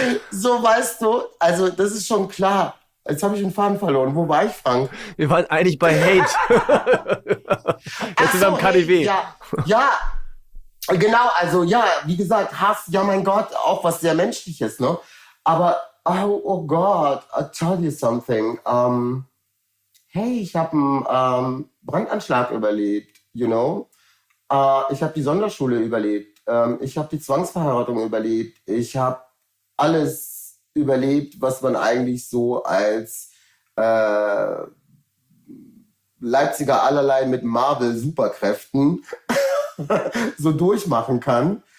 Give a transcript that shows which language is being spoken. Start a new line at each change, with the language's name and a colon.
German: So, weißt du, also das ist schon klar. Jetzt habe ich den Faden verloren. Wo war ich, Frank? Wir waren eigentlich bei Hate. Jetzt Ach sind wir am so, hey, KDW. ja. Genau, also ja, wie gesagt, Hass, ja mein Gott, auch was sehr Menschliches, ne? Aber, oh Gott,
English: I'll tell you something.
German: Hey, ich habe einen Brandanschlag überlebt,
English: you know?
German: Ich habe die Sonderschule überlebt. Ich habe die Zwangsverheiratung überlebt. Ich habe alles überlebt, was man eigentlich so als Leipziger allerlei mit Marvel-Superkräften so durchmachen kann.